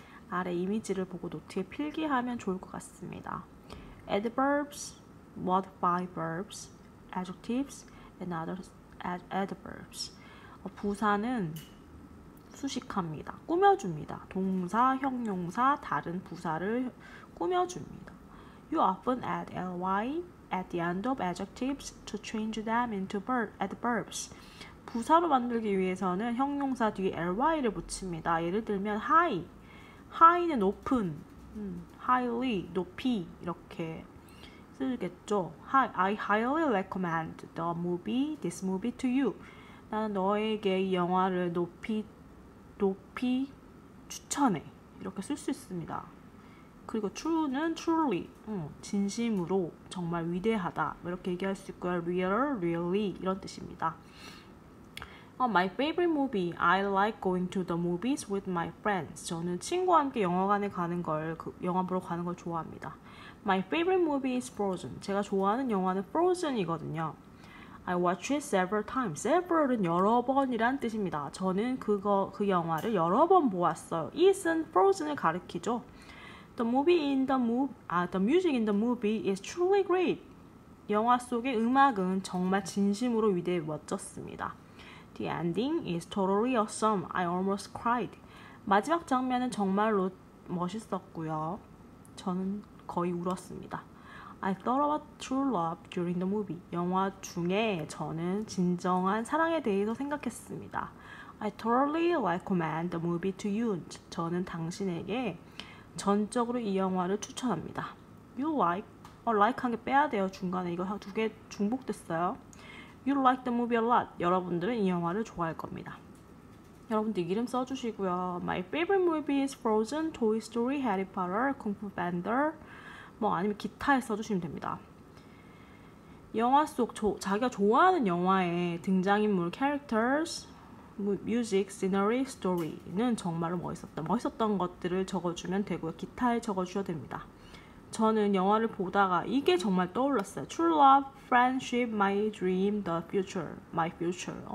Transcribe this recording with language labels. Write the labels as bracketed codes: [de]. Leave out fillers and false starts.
[ko] 아래 이미지를 보고 노트에 필기하면 좋을 것 같습니다. [en] Adverbs, modify verbs, adjectives, and other adverbs. [ko] 부사는 수식합니다. 꾸며줍니다. 동사, 형용사, 다른 부사를 꾸며줍니다. [en] You often add ly at the end of adjectives to change them into adverbs. [ko] 부사로 만들기 위해서는 형용사 뒤에 ly를 붙입니다. 예를 들면 high. high는 높은, highly, 높이 이렇게 쓰겠죠. [en] I highly recommend the movie, this movie to you. [ko] 나는 너에게 이 영화를 높이 추천해. 이렇게 쓸 수 있습니다. 그리고 true는 truly, 진심으로, 정말 위대하다 이렇게 얘기할 수 있고요. real, really 이런 뜻입니다. [en] My favorite movie, I like going to the movies with my friends. [ko] 저는 친구와 함께 영화관에 가는 걸, 영화 보러 가는 걸 좋아합니다. [en] My favorite movie is Frozen. [ko] 제가 좋아하는 영화는 Frozen이거든요. [en] I watch it several times. [ko] Several은 여러 번이란 뜻입니다. 저는 그 영화를 여러 번 보았어요. It은 Frozen을 가리키죠. [en] The music in the movie is truly great. [ko] 영화 속의 음악은 정말 진심으로 위대해 멋졌습니다. [en] The ending is totally awesome. I almost cried. [ko] 마지막 장면은 정말로 멋있었고요. 저는 거의 울었습니다. [en] I thought about true love during the movie. [ko] 영화 중에 저는 진정한 사랑에 대해서 생각했습니다. [en] I totally recommend the movie to you. [ko] 저는 당신에게 전적으로 이 영화를 추천합니다. [en] You like, like [ko] 한 개 빼야 돼요. 중간에 이거 두 개 중복됐어요. [en] You like the movie a lot. [ko] 여러분들은 이 영화를 좋아할 겁니다. 여러분들 이름 써주시고요. [en] My favorite movie is Frozen, Toy Story, Harry Potter, Kung Fu Panda. [ko] 뭐 아니면 기타에 써주시면 됩니다. 영화 속 자기가 좋아하는 영화의 등장인물, characters, music, scenery, story는 정말로 멋있었던 것들을 적어주면 되고요. 기타에 적어주셔도 됩니다. 저는 영화를 보다가 이게 정말 떠올랐어요. [en] True love, friendship, my dream, the future, my future.